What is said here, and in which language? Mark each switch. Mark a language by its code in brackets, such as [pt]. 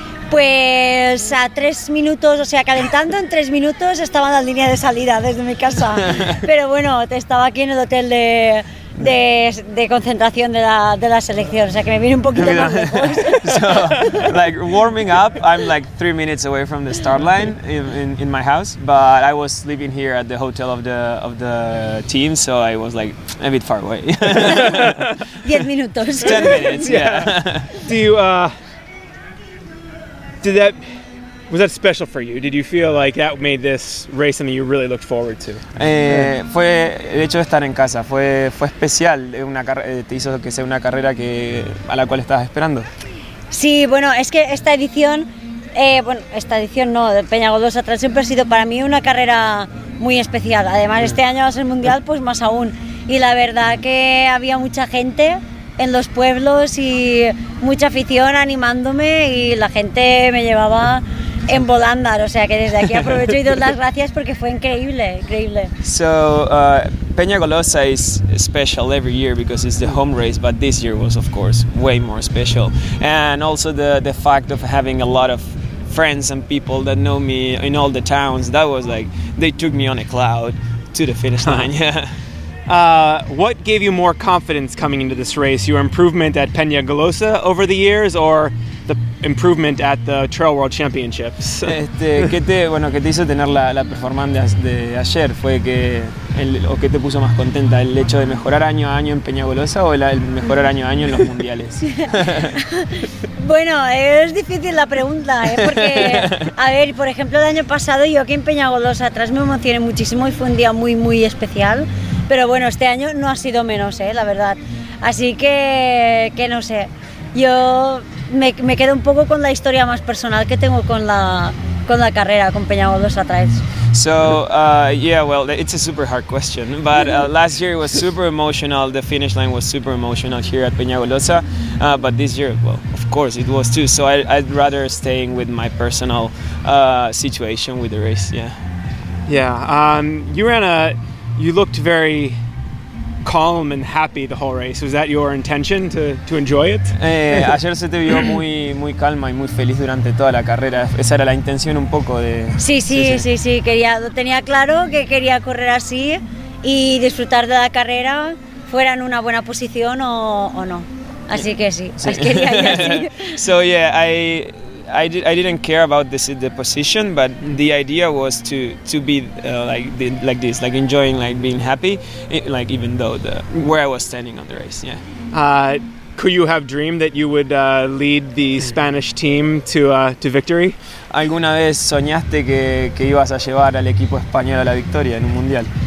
[es] Pues a 3 minutos, o sea, calentando en 3 minutos, estaba en la línea de salida desde mi casa. Pero bueno, estaba aquí en el hotel de concentración de la selección, o sea, que me vine un poquito más lejos. [en] So, like, warming up, I'm like 3 minutes away from the start line in my house, but I was sleeping here at the hotel of the team, so I was like a bit far away. [es] 10 minutos. [en] 10 minutes, yeah. Do you, was that special for you? Did you feel like that made this race something you really looked forward to? [es] Fue el hecho de estar en casa. Fue especial. Te hizo que sea una carrera que a la cual estabas esperando. Sí, bueno, es que esta edición, esta edición no, de Peñagodos atrás siempre ha sido para mí una carrera muy especial. Además, este año va a ser mundial, pues más aún. Y la verdad que había mucha gente en los pueblos y mucha afición animándome y la gente me llevaba en volándar, o sea que desde aquí aprovecho y doy las gracias porque fue increíble, increíble. [en] So, Peñagolosa is special every year because it's the home race, but this year was of course way more special. And also the fact of having a lot of friends and people that know me in all the towns, that was like, they took me on a cloud to the finish line, yeah. What gave you more confidence coming into this race? Your improvement at Peñagolosa over the years or the improvement at the Trail World Championships? [es] ¿Qué te hizo tener la performance de ayer? ¿Fue que o qué te puso más contenta? ¿El hecho de mejorar año a año en Peñagolosa o el mejorar año a año en los mundiales? Bueno, es difícil la pregunta, porque, a ver, por ejemplo, el año pasado yo aquí en Peñagolosa atrás me emocioné muchísimo y fue un día muy, muy especial. Pero bueno, este año no ha sido menos, la verdad. Así que no sé. Yo me quedo un poco con la historia más personal que tengo con la carrera, con Peñagolosa atrás. [en] So, it's a super hard question. But last year it was super emotional. The finish line was super emotional here at Peñagolosa. But this year, well, of course, it was too. So I'd rather staying with my personal situation with the race, yeah. Yeah, you ran a... You looked very calm and happy the whole race. Was that your intention to enjoy it? [es] Ayer se te vio muy muy calma y muy feliz durante toda la carrera. Esa era la intención un poco de. Sí. Quería, lo tenía claro que quería correr así y disfrutar de la carrera, fuera en una buena posición o no. Así que sí. Sí. Así quería ir así. [en] So yeah, I didn't care about the position, but the idea was to be like this, like enjoying, like being happy, like even though where I was standing on the race, yeah. Could you have dreamed that you would lead the Spanish team to victory? [es] ¿Alguna vez soñaste que ibas a llevar al equipo español a la victoria en un mundial?